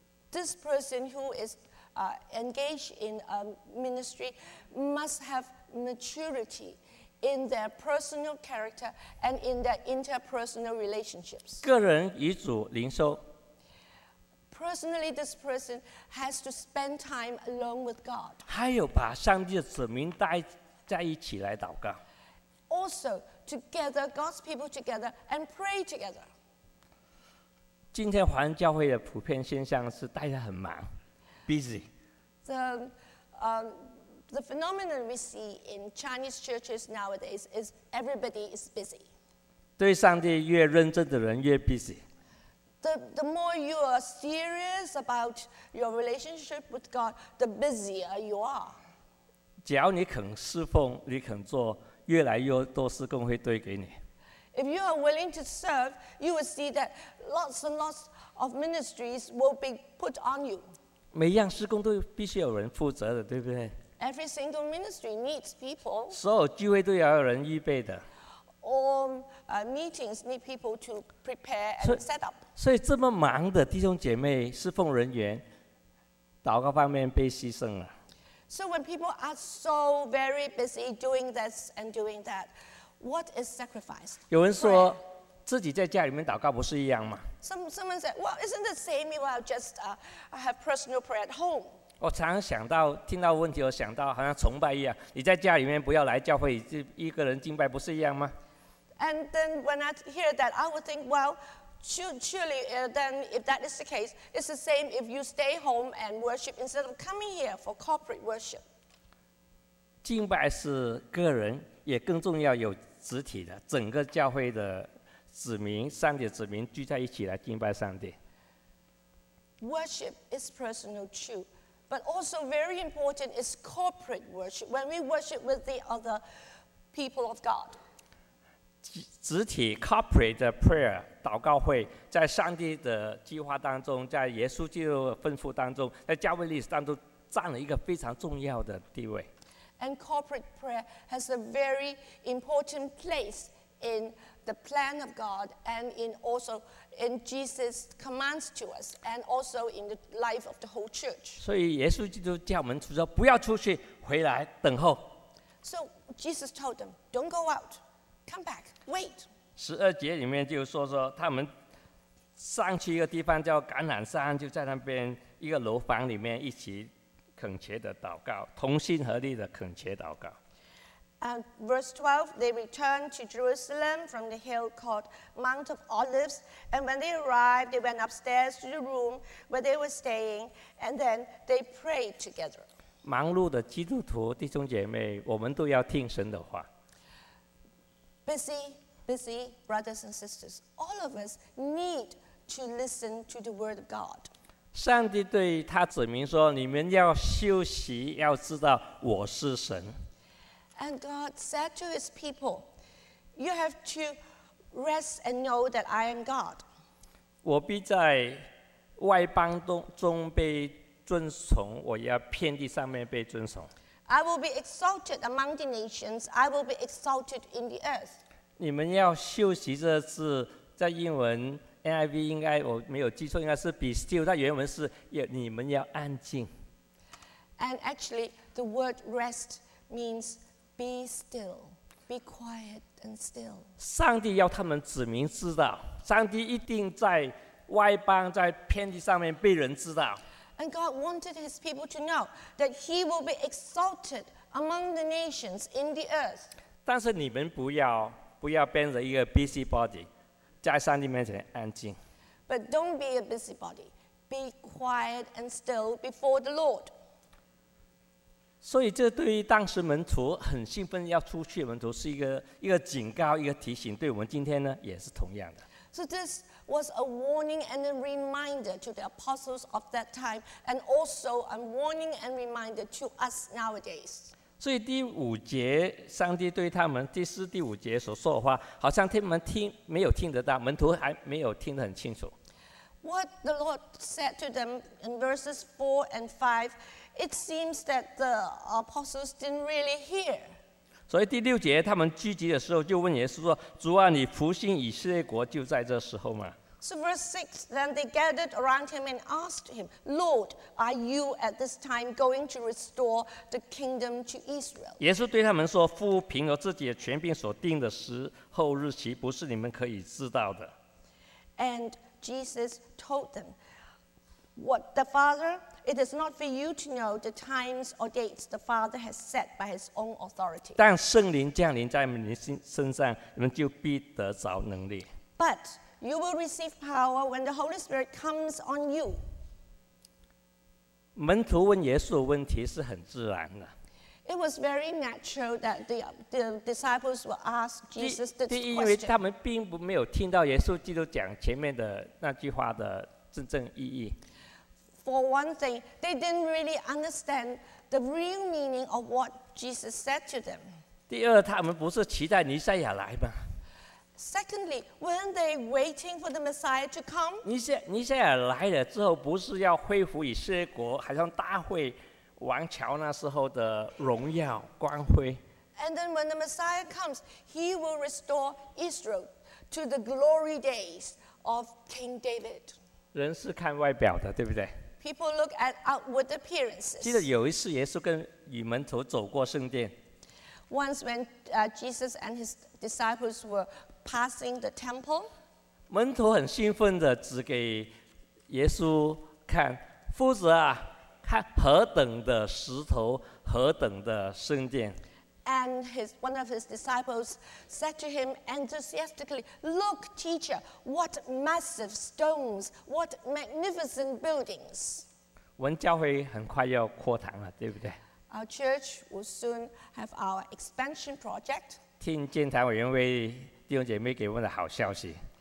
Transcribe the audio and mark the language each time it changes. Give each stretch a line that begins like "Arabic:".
English: This person who is engaged in ministry must have maturity. In their personal character and in their interpersonal relationships.
Chinese: 个人与主灵修。
English: Personally, this person has to spend time alone with God.
Chinese: 还有把上帝的子民带在一起来祷告。
English: Also, together, God's people together and pray together.
Chinese: 今天华人教会的普遍现象是大家很忙 ，busy.
English: The phenomenon we see in Chinese churches nowadays is everybody is busy.
Chinese: 对上帝越认真的人越 busy.
English: The more you are serious about your relationship with God, the busier you are.
Chinese: 只要你肯侍奉，你肯做，越来越多事工会堆给你。
English: If you are willing to serve, you will see that lots and lots of ministries will be put on you.
Chinese: 每一样事工都必须有人负责的，对不对？
English: Every single ministry needs people.
Chinese: 所有聚会都要有人预备的。
English: All meetings need people to prepare and set up.
Chinese: 所以这么忙的弟兄姐妹、侍奉人员，祷告方面被牺牲了。
English: So when people are so very busy doing this and doing that, what is sacrificed?
Chinese: 有人说自己在家里面祷告不是一样吗
English: ？Someone said, "Well, isn't the same if I just have personal prayer at home?"
Chinese: 我常想到听到问题，我想到好像崇拜一样。你在家里面不要来教会，就一个人敬拜，不是一样吗
English: ？And then when I hear that, I would think, "Well, surely then if that is the case, it's the same if you stay home and worship instead of coming here for corporate worship."
Chinese: 敬拜是个人，也更重要有肢体的，整个教会的。子民，上帝子民聚在一起来敬拜上帝。
English: Worship is personal too, but also very important is corporate worship. When we worship with the other people of God,
Chinese: 肢体 corporate 的 prayer 祷告会，在上帝的计划当中，在耶稣基督的吩咐当中，在教会历史当中占了一个非常重要的地位。
English: And corporate prayer has a very important place in. The plan of God, and in also in Jesus' commands to us, and also in the life of the whole church.
Chinese: 所以耶稣基督叫门徒说不要出去，回来等候。
English: So Jesus told them, "Don't go out, come back, wait."
Chinese: 十二节里面就说他们上去一个地方叫橄榄山，就在那边一个楼房里面一起恳切的祷告，同心合力的恳切祷告。
English: Verse 12, they returned to Jerusalem from the hill called Mount of Olives, and when they arrived, they went upstairs to the room where they were staying, and then they prayed together.
Chinese: 忙碌的基督徒弟兄姐妹，我们都要听神的话。
English: Busy brothers and sisters, all of us need to listen to the word of God.
Chinese: 上帝对他子民说，你们要休息，要知道我是神。
English: And God said to his people, you have to rest and know that I am God.
Chinese: 我必在外邦中被尊崇，我要遍地上面被尊崇。
English: I will be exalted among the nations, I will be exalted in the earth.
Chinese: 你们要休息这字，在英文 NIV 应该，我没有记错，应该是
English: be still,
Chinese: 但原文是你们要安静。
English: And actually, the word rest means be still, be quiet and still.
Chinese: 上帝要他们子民知道，上帝一定在外邦在偏地上面被人知道。
English: And God wanted his people to know that he will be exalted among the nations in the earth.
Chinese: 但是你们不要变成一个
English: busy body,
Chinese: 在上帝面前安静。
English: But don't be a busy body, be quiet and still before the Lord.
Chinese: 所以这对于当时门徒很兴奋要出去的门徒是一个警告，一个提醒，对我们今天呢也是同样的。
English: So this was a warning and a reminder to the apostles of that time, and also a warning and reminder to us nowadays.
Chinese: 所以第五节，上帝对他们第四、第五节所说的话，好像他们听没有听得到，门徒还没有听得很清楚。
English: What the Lord said to them in verses 4 and 5, it seems that the apostles didn't really hear.
Chinese: 所以第六节他们聚集的时候就问耶稣说，主啊，你复兴以色列国就在这时候吗？
English: So verse 6, then they gathered around him and asked him, Lord, are you at this time going to restore the kingdom to Israel?
Chinese: 耶稣对他们说，父凭着自己的权柄所定的时候日期不是你们可以知道的。
English: AndJesus told them, "What the Father, it is not for you to know the times or dates the Father has set by his own authority."
Chinese: 但圣灵降临在你们身上，你们就必得着能力。
English: But you will receive power when the Holy Spirit comes on you.
Chinese: 门徒问耶稣的问题是很自然的。
English: It was very natural that the disciples were asked Jesus this question.
Chinese: 第一，因为他们并不没有听到耶稣基督讲前面的那句话的真正意义。
English: For one thing, they didn't really understand the real meaning of what Jesus said to them.
Chinese: 第二，他们不是期待弥赛亚来吗？
English: Secondly, weren't they waiting for the Messiah to come?
Chinese: 弥赛亚来了之后，不是要恢复以色列国，好像大会。王朝那时候的荣耀光辉。
English: And then when the Messiah comes, he will restore Israel to the glory days of King David.
Chinese: 人是看外表的，对不对？
English: People look at outward appearances.
Chinese: 记得有一次耶稣跟与门徒走过圣殿。
English: Once when Jesus and his disciples were passing the temple,
Chinese: 门徒很兴奋的指给耶稣看，夫子啊。看何等的石头，何等的圣殿。
English: And one of his disciples said to him enthusiastically, "Look, teacher, what massive stones! What magnificent buildings!"
Chinese: 我们教会很快要扩堂了，对不对
English: ？Our church will soon have our expansion project.
Chinese: 听建堂委员会弟兄姐妹给我们的好消息。